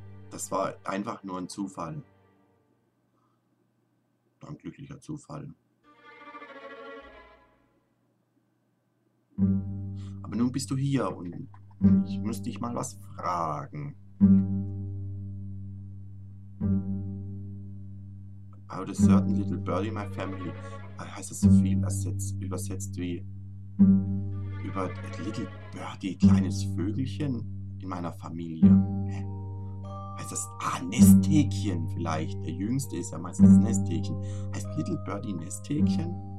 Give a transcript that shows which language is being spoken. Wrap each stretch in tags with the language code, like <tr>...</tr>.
<de>Das war einfach nur ein Zufall. Ein glücklicher Zufall. Aber nun bist du hier und ich muss dich mal was fragen.</de> <en>About a certain little bird in my family.</en> <de>Heißt das so viel übersetzt wie über</de> <en>a little birdie,</en> <de>kleines Vögelchen in meiner Familie? Heißt das, Nesthäkchen vielleicht? Der Jüngste ist ja meistens Nesthäkchen. Heißt</de> <en>Little Birdie</en> <de>Nesthäkchen?</de>